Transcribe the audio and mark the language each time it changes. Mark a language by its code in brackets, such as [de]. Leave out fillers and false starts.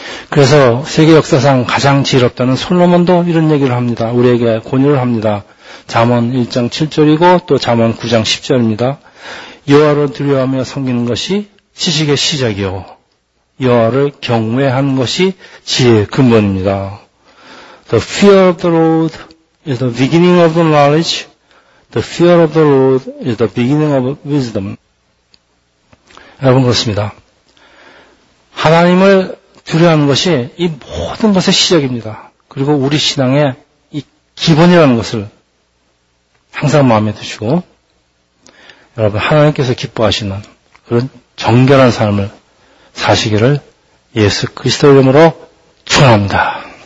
[ko] 그래서 세계 역사상 가장 지혜롭다는 솔로몬도 이런 얘기를 합니다. 우리에게 권유를 합니다. 잠언 1장 7절이고 또 잠언 9장 10절입니다. 여호와를 두려워하며 섬기는 것이 지식의 시작이요 여호와를 경외하는 것이 지혜의 근본입니다. [en] The fear of the Lord is the beginning of the knowledge. The fear of the Lord is the beginning of wisdom. [ko] 여러분 그렇습니다. 하나님을 두려워하는 것이 이 모든 것의 시작입니다. 그리고 우리 신앙의 이 기본이라는 것을 항상 마음에 두시고 여러분 하나님께서 기뻐하시는 그런 정결한 삶을 사시기를 예수 그리스도 이름으로 축원합니다.